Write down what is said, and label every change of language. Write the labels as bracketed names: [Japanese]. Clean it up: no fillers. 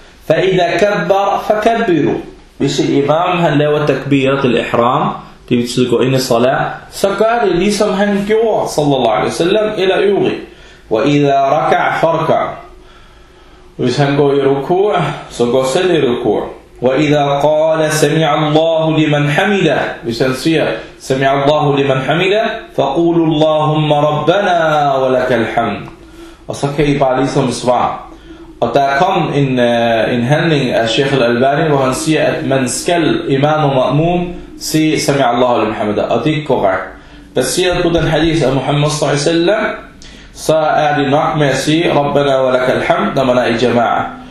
[Arabic] Fa'idha kabbar, fakabbiru. [Danish] Hvis en imam, han laver takbir til ihram, det betyder gå ind i salat, så gør det ligesom han gjorde, sallallahu alaihi wasallam, eller øvrigt. [Arabic] وَإِذَا رَكَعْ فَرْكَعْ. [Danish] Hvis han går i rukur, så går selv i rukur. [Arabic] وَإِذَا قَالَ سَمِعَ اللَّهُ لِمَنْ حَمِدَهُ. [Danish] Hvis han siger, [Arabic] سَمِعَ اللَّهُ لِمَنْ حَمِدَهُ, فَقُولُ اللَّهُمَّ رَبَّنَا وَلَكَ الْحَمْدُ. [Danish] Og så kan I bare ligesom svare. Og der kom en handling af Sheikh al-Albani, hvor han siger, at man skal imam og ma'mum sige, [Arabic] سَمِعَ اللَّهُ لِمَنْ حَمِدَهُ. [Danish] Og det er ikke korrekt. Baseret på den hadith af Muhammad s.a.w., så er det nok med at sige [Arabic] Rabbana wa laka alhamd, [Danish] når man er i jama'a.